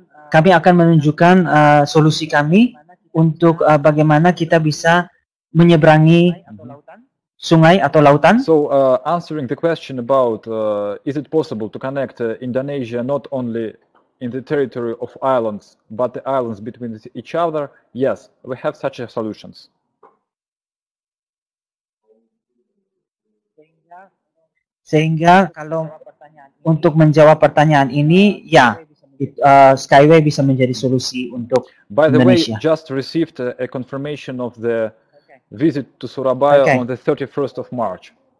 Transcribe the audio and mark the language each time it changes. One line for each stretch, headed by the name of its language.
Indonesian: Kami akan menunjukkan solusi kami untuk bagaimana kita bisa menyeberangi sungai atau lautan.
English: So answering the question about is it possible to connect Indonesia not only in the territory of islands but the islands between each other? Yes, we have such a solutions.
Indonesian: Sehingga kalau untuk menjawab pertanyaan ini, ya. Skyway bisa menjadi solusi untuk
English: By the
Indonesian: Indonesia.
English: Way, just received a confirmation of the visit to Surabaya on the 31st of March.